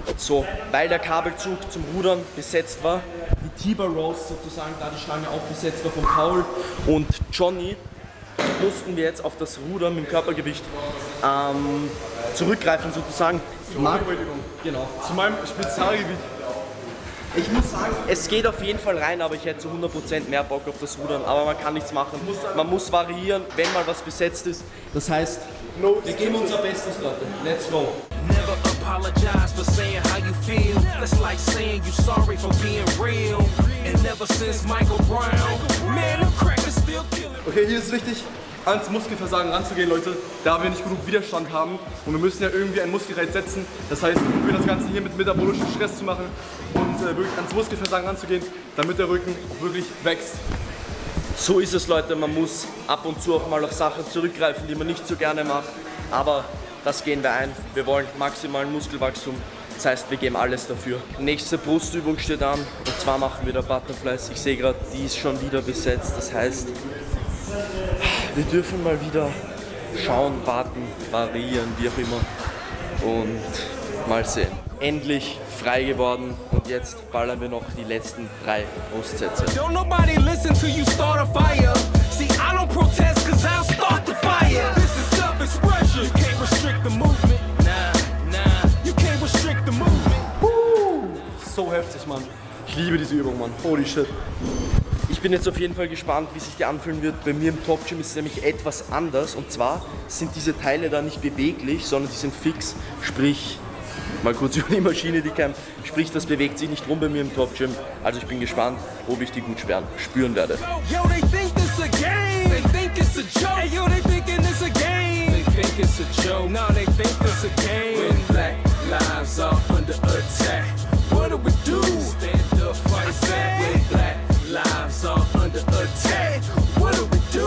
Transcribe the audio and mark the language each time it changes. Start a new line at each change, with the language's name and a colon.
German: So, weil der Kabelzug zum Rudern besetzt war, die T-Bar Rows sozusagen, da die Stange auch besetzt war von Paul und Johnny, mussten wir jetzt auf das Rudern mit dem Körpergewicht zurückgreifen sozusagen. Genau. Zu meinem Spezialgewicht. Ich muss sagen, es geht auf jeden Fall rein, aber ich hätte zu 100% mehr Bock auf das Rudern. Aber man kann nichts machen. Man muss variieren, wenn mal was besetzt ist. Das heißt, wir geben unser Bestes, Leute.
English: Let's go. Never apologize for saying how you feel. That's like saying you sorry for being real. And ever since Michael Brown, man, I'm crack is still killing.
German: Okay, hier ist wichtig, ans Muskelversagen ranzugehen, Leute, da wir nicht genug Widerstand haben. Und wir müssen ja irgendwie einen Muskelreiz setzen. Das heißt, wir das Ganze hier mit metabolischem Stress zu machen und wirklich ans Muskelversagen ranzugehen, damit der Rücken wirklich wächst. So ist es, Leute. Man muss ab und zu auch mal auf Sachen zurückgreifen, die man nicht so gerne macht. Aber das gehen wir ein. Wir wollen maximalen Muskelwachstum. Das heißt, wir geben alles dafür. Nächste Brustübung steht an. Und zwar machen wir da Butterflies. Ich sehe gerade, die ist schon wieder besetzt. Das heißt, wir dürfen mal wieder schauen, warten, variieren, wie auch immer. Und mal sehen. Endlich frei geworden. Und jetzt ballern wir noch die letzten drei Brustsätze.
English: Don't nobody listen till you start a fire. See, I don't protest, cause I'll start the fire. This is self-expression. You can't restrict the movement. Nah, nah. You can't restrict the movement.
German: So heftig, Mann. Ich liebe diese Übung, Mann.
English: Holy shit.
German: Ich bin jetzt auf jeden Fall gespannt, wie sich die anfühlen wird. Bei mir im Top-Gym ist es nämlich etwas anders. Und zwar sind diese Teile da nicht beweglich, sondern die sind fix. Sprich, mal kurz über die Maschine, die kam. Sprich, das bewegt sich nicht rum bei mir im Top-Gym. Also ich bin gespannt, ob ich die gut spüren werde.
English: Yo, they think it's a game. They think it's a joke. Hey, yo, they thinking it's a game. They think it's a joke. Now they think it's a game. When black lives are under attack, what do we do? Stand up, fight back. When black lives are under attack, what do we do?